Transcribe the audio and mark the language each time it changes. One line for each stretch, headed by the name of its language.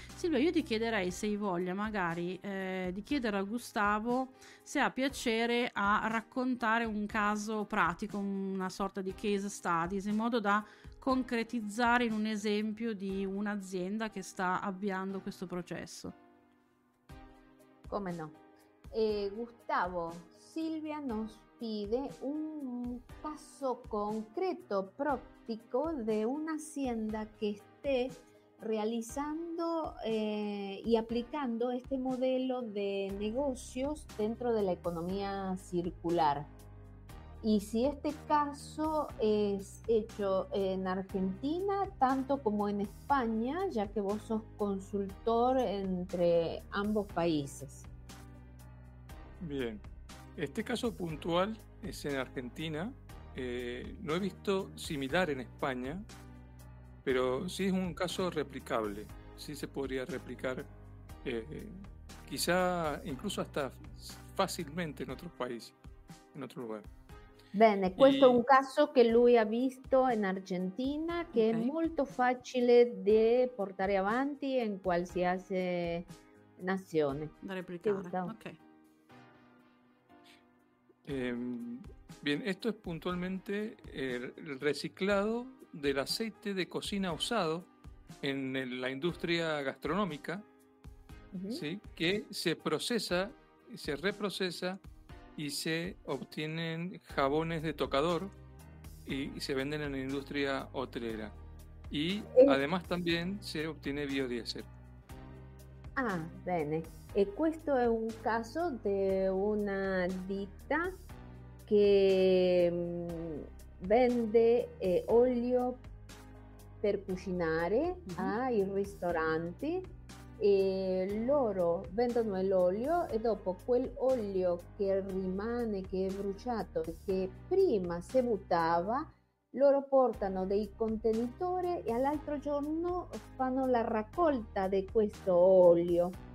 Italian: Silvia, io ti chiederei, se hai voglia magari, di chiedere a Gustavo se ha piacere a raccontare un caso pratico, una sorta di case studies, in modo da concretizzare in un esempio di un'azienda che sta avviando questo processo. Come no?
Spanish: Gustavo, Silvia nos pide un caso concreto, práctico, de una hacienda que esté realizando y aplicando este modelo de negocios dentro de la economía circular. Y si este caso es hecho en Argentina, tanto como en España, ya que vos sos consultor entre ambos países. Bien, este caso puntual es en Argentina. No he visto similar en España, pero sí es un caso replicable. Sí se podría replicar, quizá incluso hasta fácilmente en otros países, en otro lugar.
Italian: Bene, questo è un caso che lui ha visto in Argentina, che okay. È molto facile da portare avanti in qualsiasi nazione. Da replicare, ok.
Spanish: Bien, esto es puntualmente el reciclado del aceite de cocina usado en la industria gastronómica, ¿sí? Que se procesa, se reprocesa, y se obtienen jabones de tocador y se venden en la industria hotelera. y además también se obtiene biodiesel.
Italian: Ah, bene. E questo è un caso di una ditta che vende olio per cucinare ai ristoranti. E loro vendono l'olio e dopo quell'olio che rimane, che è bruciato, che prima si buttava, loro portano dei contenitori e all'altro giorno fanno la raccolta di questo olio.